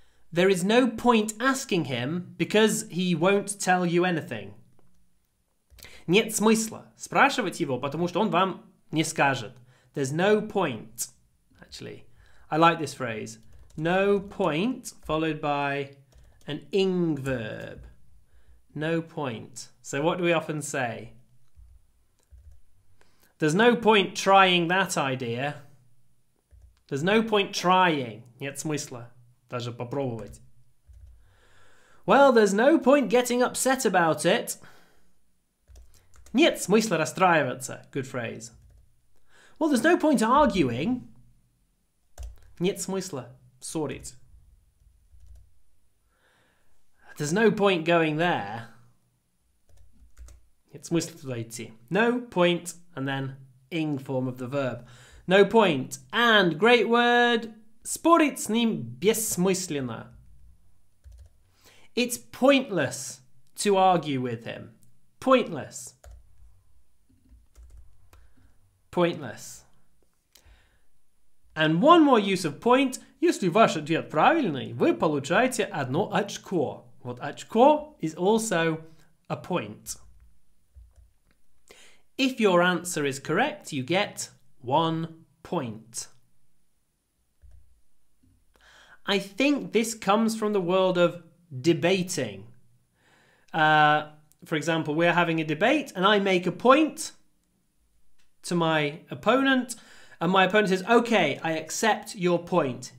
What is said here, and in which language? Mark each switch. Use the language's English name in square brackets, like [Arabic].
[English] There is no point asking him because he won't tell you anything. [Russian] Нет смысла спрашивать его, потому что он вам не скажет. [English] There's no point, actually. I like this phrase. No point, followed by an ing verb. No point. So what do we often say? There's no point trying that idea. There's no point trying. [Russian] Нет смысла даже попробовать. [English] Well, there's no point getting upset about it. [Russian] Нет смысла расстраиваться. [English] Good phrase. Well, there's no point arguing. [Russian] Нет смысла ссорить. [English] There's no point going there. [Russian] Нет смысла туда идти. [English] No point, and then ing form of the verb. No point. And great word. [Russian] Спорить с ним бессмысленно. [English] It's pointless to argue with him. Pointless. Pointless. And one more use of point. [Russian] Если ваш ответ правильный, вы получаете одно очко. Вот очко [English] is also a point. If your answer is correct, you get 1 point. I think this comes from the world of debating. For example, we're having a debate and I make a point to my opponent, and my opponent says, okay, I accept your point.